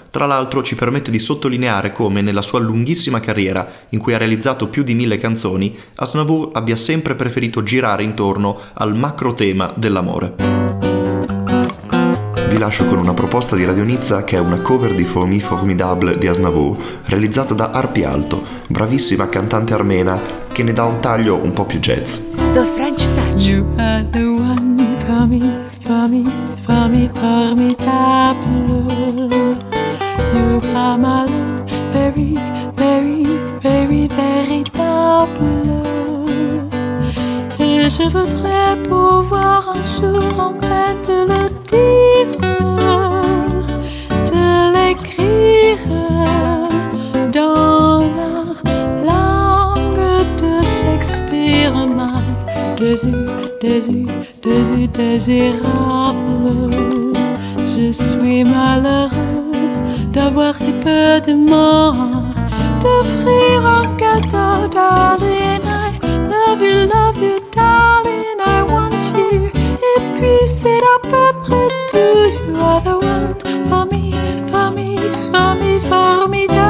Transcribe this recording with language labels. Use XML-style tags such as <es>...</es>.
<it>Tra l'altro ci permette di sottolineare come nella sua lunghissima carriera, in cui ha realizzato più di 1000 canzoni, Aznavour abbia sempre preferito girare intorno al macro tema dell'amore. Vi lascio con una proposta di Radio Nizza, che è una cover di For Me Formidable di Aznavour, realizzata da Arpi Alto, bravissima cantante armena che ne dà un taglio un po' più jazz.</it> <en>The French Touch. You are the one. fammi, fammi, fammi formidable. You are my love, very, very, very véritable.</en> <fr>Et je voudrais pouvoir un jour en fait te le dire, te l'écrire dans la langue de Shakespeare, my désirable. Je suis malheureux d'avoir si peu de monde, t'offrir un cadeau, darling, I love you, darling, I want you. Et puis c'est à peu près tout.</fr> <en>You are the one for me, for me, for me, for me.</en>